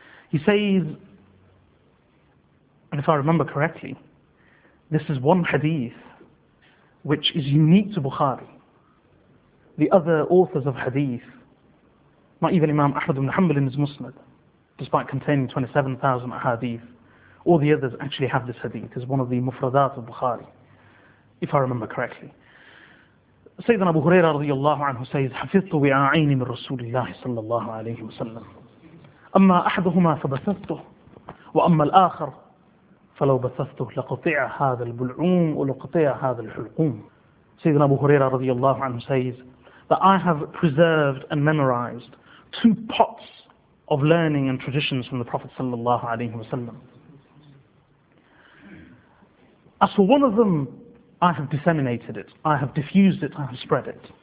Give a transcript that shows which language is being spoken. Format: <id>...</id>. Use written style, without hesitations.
<en>He says, and if I remember correctly, this is one hadith which is unique to Bukhari. The other authors of hadith, not even Imam Ahmad ibn Hanbal in his Musnad, despite containing 27,000 hadith, all the others actually have this hadith. It's one of the mufradat of Bukhari, if I remember correctly.</en> <ar>Sayyidina Abu Huraira radiyallahu anhu says, حَفِظْتُ وِعَاعَيْنِ مِنْ رَسُولِ اللَّهِ صَلَّى اللَّهُ عَلَيْهِ وَسَلَّمُ أَمَّا أَحْدُهُمَا فَبَثَثْتُهُ وَأَمَّا الْآخَرُ فَلَوْ بَثَثْتُهُ لَقُطِعَ هَذَا الْبُلْعُومُ وَلَقُطِعَ هَذَا الْحُلْقُومُ.</ar> <en>Sayyidina Abu Huraira radiyallahu anhu says that I have preserved and memorized two pots of learning and traditions from the Prophet sallallahu alayhi wa sallam. As for one of them, I have disseminated it, I have diffused it, I have spread it.</en>